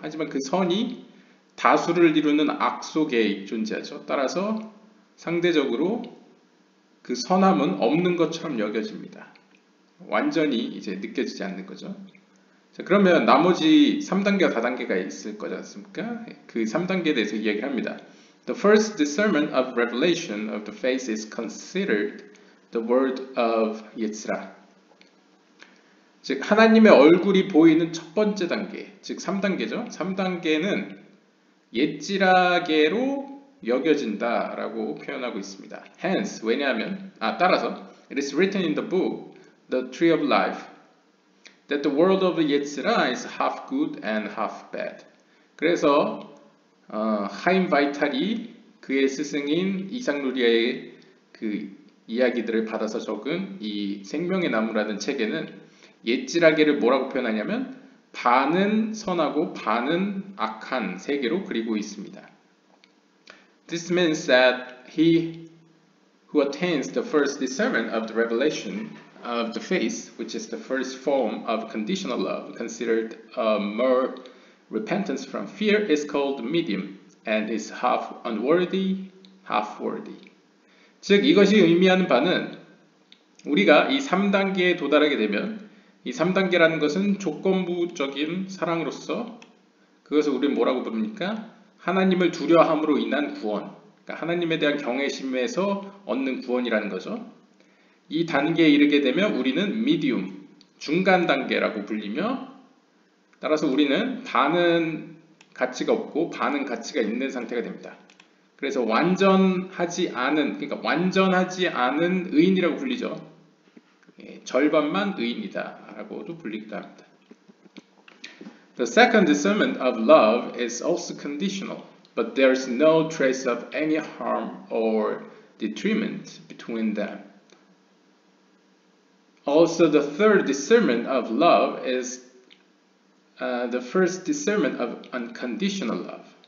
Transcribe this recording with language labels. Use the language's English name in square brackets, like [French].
[Korean] 하지만 그 선이 다수를 이루는 악 속에 존재하죠. 따라서 상대적으로 그 선함은 없는 것처럼 여겨집니다. 완전히 이제 느껴지지 않는 거죠. 자, 그러면 나머지 3단계와 4단계가 있을 거지 않습니까? 그 3단계에 대해서 이야기를 합니다. [English] The first discernment of revelation of the face is considered the word of Yetzirah. [Korean] 즉, 하나님의 얼굴이 보이는 첫 번째 단계, 즉 3단계죠. 3단계는 옛지라계로 여겨진다라고 표현하고 있습니다. [English] Hence, [Korean] 왜냐하면, 따라서 [English] It is written in the book The Tree of Life, that the world of Yetzirah is half good and half bad. [Korean] 그래서 하임 바이탈이 그의 스승인 이삭누리아의 그 이야기들을 받아서 적은 이 생명의 나무라는 책에는 옛지라계를 뭐라고 표현하냐면 반은 선하고 반은 악한 세계로 그리고 있습니다. [English] This means that he who attains the first discernment of the revelation of the face, which is the first form of conditional love, considered a mere repentance from fear, is called medium, and is half unworthy, half worthy. [Korean] 즉, 이것이 의미하는 바는 우리가 이 3단계에 도달하게 되면 이 3단계라는 것은 조건부적인 사랑으로서 그것을 우리는 뭐라고 부릅니까? 하나님을 두려워함으로 인한 구원, 그러니까 하나님에 대한 경외심에서 얻는 구원이라는 거죠. 이 단계에 이르게 되면 우리는 미디움, 중간 단계라고 불리며 따라서 우리는 반은 가치가 없고 반은 가치가 있는 상태가 됩니다. 그래서 완전하지 않은, 그러니까 완전하지 않은 의인이라고 불리죠. 예, 절반만 의인이다 라고도 불리기도 합니다. [English] The second discernment of love is also conditional, but there is no trace of any harm or detriment between them. Also, the third discernment of love is the first discernment of unconditional love.